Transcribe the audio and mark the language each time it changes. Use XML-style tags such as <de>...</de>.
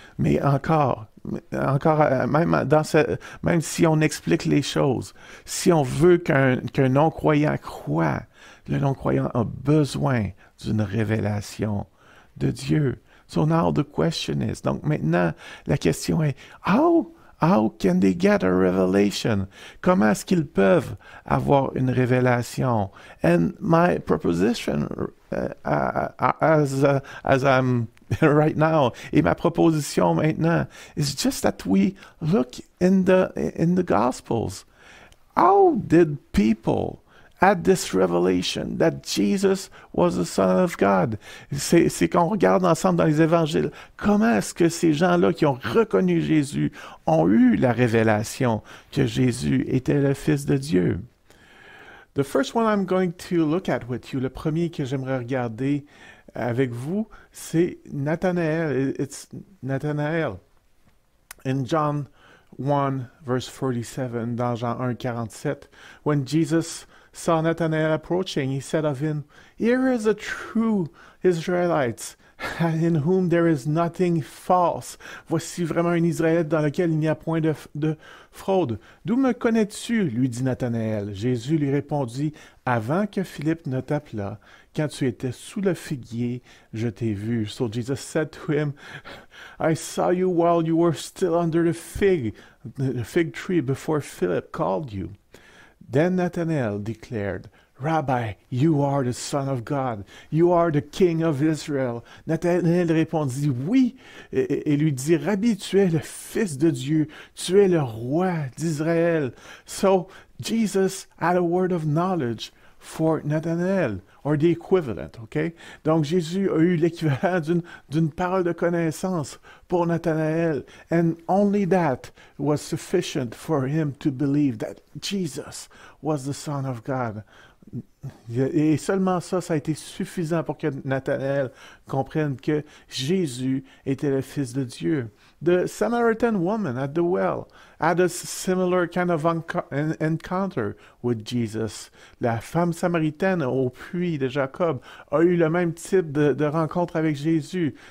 <fr>Mais encore, même si on explique les choses, si on veut qu'un non-croyant croit, le non-croyant a besoin d'une révélation de Dieu.</fr> <en>So now the question is,</en> <fr>donc maintenant, la question est,</fr> <en>How can they get a revelation?</en> <fr>Comment est-ce qu'ils peuvent avoir une révélation?</fr> <en>And my proposition, as I'm right now,</en> <fr>et ma proposition maintenant,</fr> <en>is just that we look in the Gospels. How did people at this revelation that Jesus was the Son of God?</en> <fr>C'est qu'on regarde ensemble dans les évangiles. Comment est-ce que ces gens-là qui ont reconnu Jésus ont eu la révélation que Jésus était le Fils de Dieu?</fr> <en>The first one I'm going to look at with you,</en> <fr>le premier que j'aimerais regarder avec vous, c'est Nathanael.</fr> <en>It's Nathanael. In John 1, verse 47,</en> <fr>dans Jean 1, 47,</fr> <en>when Jesus saw Nathanael approaching, he said of him, "Here is a true Israelite, in whom there is nothing false."</en> <fr>Voici vraiment un Israélite dans lequel il n'y a point de fraude. D'où me connais-tu? Lui dit Nathanael. Jésus lui répondit, avant que Philippe ne t'appelât, quand tu étais sous le figuier, je t'ai vu.</fr> <en>So Jesus said to him, "I saw you while you were still under the fig tree before Philip called you." Then Nathanael declared, "Rabbi, you are the Son of God. You are the King of Israel."</en> <fr>Nathanael répondit, "Oui," et lui dit, "Rabbi, tu es le Fils de Dieu. Tu es le roi d'Israël."</fr> <en>So Jesus had a word of knowledge for Nathanael, or the equivalent, okay?</en> <fr>Donc Jésus a eu l'équivalent d'une parole de connaissance pour Nathanael,</fr> <en>and only that was sufficient for him to believe that Jesus was the Son of God.</en> <fr>Et seulement ça a été suffisant pour que Nathanael comprenne que Jésus était le Fils de Dieu.</fr> <en>The Samaritan woman at the well had a similar kind of encounter with Jesus.</en> <fr>La femme samaritaine au puits de Jacob a eu le même type de rencontre avec Jésus.</fr>